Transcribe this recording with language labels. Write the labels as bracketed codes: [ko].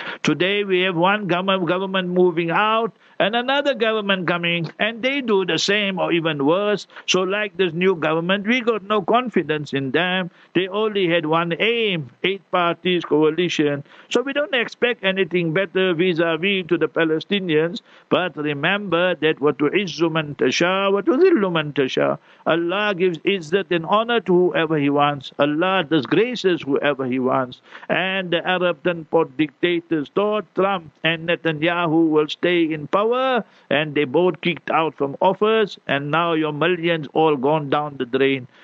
[en] Today we have one government moving out and another government coming, and they do the same or even worse. So like this new government, we got no confidence in them. They only had one aim, 8 parties coalition. So we don't expect anything better vis-a-vis to the Palestinians. But remember that [ar] وَتُعِزُّ مَنْ تَشَاءُ وَتُذِلُّ مَنْ تَشَاءُ. [en] Allah gives izzat and honor to whoever he wants. Allah disgraces whoever he wants. And the Arab tanpur dictators thought Trump and Netanyahu will stay in power, and they both kicked out from office, and now your millions all gone down the drain.